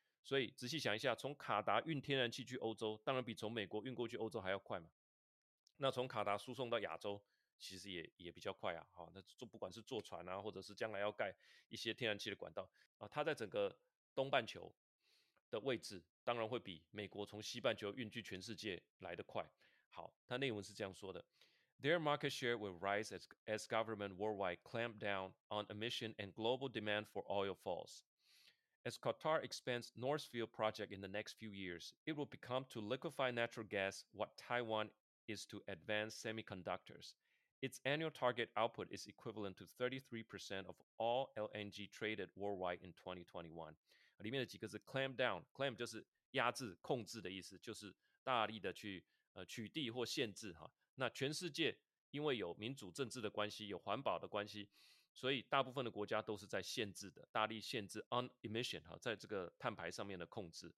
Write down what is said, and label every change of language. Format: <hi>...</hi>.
<zh>所以仔细想一下，从卡达运天然气去欧洲，当然比从美国运过去欧洲还要快嘛。那从卡达输送到亚洲其实 也比较快啊，那不管是坐船啊，或者是将来要盖一些天然气的管道啊，它在整个东半球的位置当然会比美国从西半球运去全世界来得快。好，它内文是这样说的，</zh> <en>Their market share will rise as government worldwide clamp down on emission and global demand for oil falls. As Qatar expands North Field project in the next few years, it will become to liquefy natural gas what Taiwan is to advanced semiconductors. Its annual target output is equivalent to 33% of all LNG traded worldwide in 2021.</en> <zh>里面的几个字 clamp down, clamp 就是压制、控制的意思，就是大力的去取缔或限制哈。那全世界因为有民主政治的关系、有环保的关系，所以大部分的国家都是在限制的，大力限制 on emission 哈，在这个碳排上面的控制。</zh>